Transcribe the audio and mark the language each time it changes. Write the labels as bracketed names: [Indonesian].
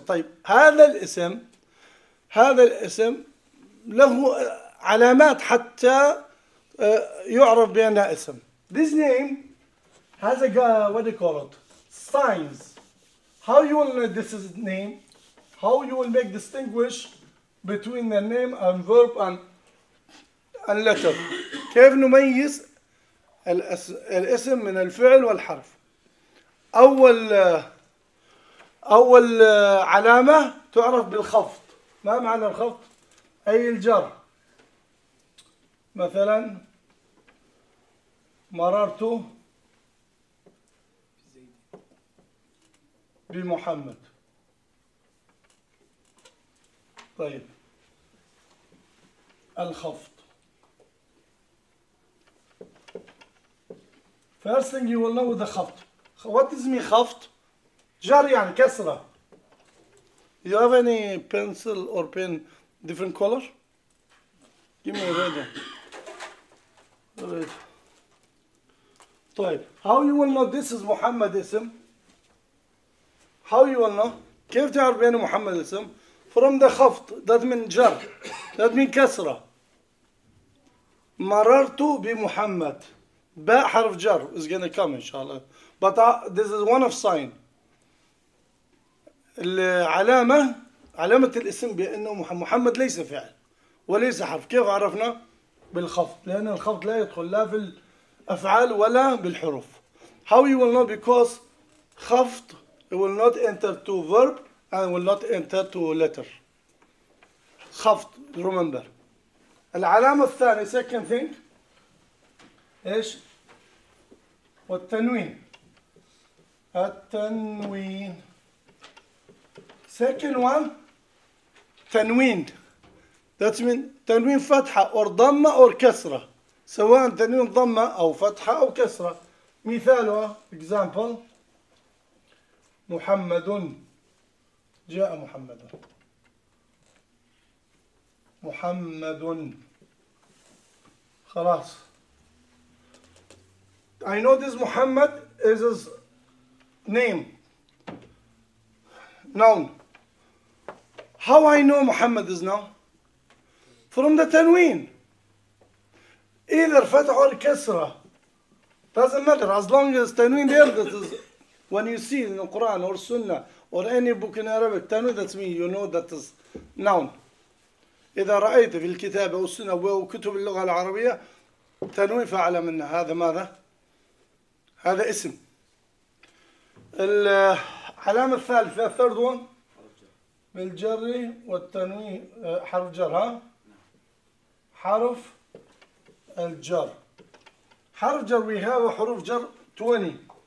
[Arabic] طيب هذا الاسم، هذا الاسم له علامات حتى يعرف بأنه اسم. [English] This name has a what do you call it? Signs. How you will know this is name? How you will make distinguish between the name and verb and letter. [Arabic] كيف نميز الاسم من الفعل والحرف؟ أول علامة تعرف بالخفض. ما معنى الخفض؟ أي الجر. مثلا مررت بمحمد. طيب الخفض. [English] First thing you will know the خفض. What is mean [Arabic] خفض؟ جر يعني كسرة. [English] You have any pencil or pen different color? Give me a red one. Red. طيب how you will know this is محمد اسم؟ How you will know؟ [Arabic] كيف تعرف بأن محمد اسم؟ [English] From the خفض، that mean جر. ثلاث من كسرة. [Arabic] مررت بمحمد. باء حرف جر [English] is gonna come [Arabic] إن شاء الله. [English] But this is one of sign. [Arabic] العلامة علامة الاسم بأنه محمد ليس فعل وليس حرف. كيف عرفنا؟ بالخفض، لأن الخفض لا يدخل لا في الأفعال ولا بالحروف. [English] How you will know? Because خفض will not enter to verb and will not enter to letter. خفض remember. [Arabic] العلامة الثانية [English] second thing [Arabic] إيش؟ والتنوين. التنوين [English] second one [Arabic] تنوين. [English] That means [Arabic] تنوين فتحة or ضمة or كسرة. سواء تنوين ضمة أو فتحة أو كسرة. مثاله example محمد جاء محمد محمد خلاص. [English] I know this محمد is his name noun. How I know محمد is now from the تنوين either فتح or كسرة doesn't matter as long as تنوين there. That is when you see in the Quran or Sunnah or any book in Arabic تنوين that's mean you know that is noun. [Arabic] إذا رأيت في الكتاب أو السنة أو كتب اللغة العربية تنوين فأعلم أن هذا ماذا هذا اسم. العلامة الثالثة [English] third one [Arabic] بالجر والتنوين حرف جر ها حرف الجر حرف جر [English] we have [Arabic] حروف جر 20